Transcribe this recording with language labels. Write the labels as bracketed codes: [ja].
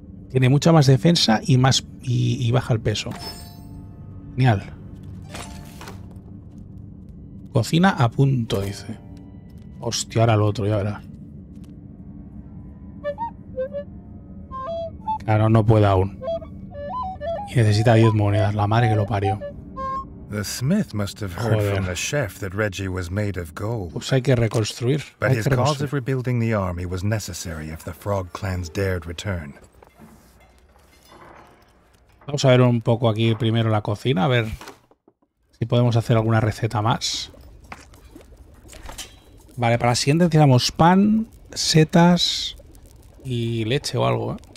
[es] Tiene mucha más defensa y más y baja el peso. Genial. Cocina a punto, dice. Hostia, ahora el otro, ya verás. Claro, no puede aún. Y necesita 10 monedas, la madre que lo parió. [en] The smith must have heard from the chef that Reggie was made of gold. [es] Pues hay que reconstruir. [en] But his cause of rebuilding the army was necessary if the Frog Clans dared return. [es] Vamos a ver un poco aquí primero la cocina, a ver si podemos hacer alguna receta más. Vale, para la siguiente necesitamos pan, setas y leche o algo, ¿eh?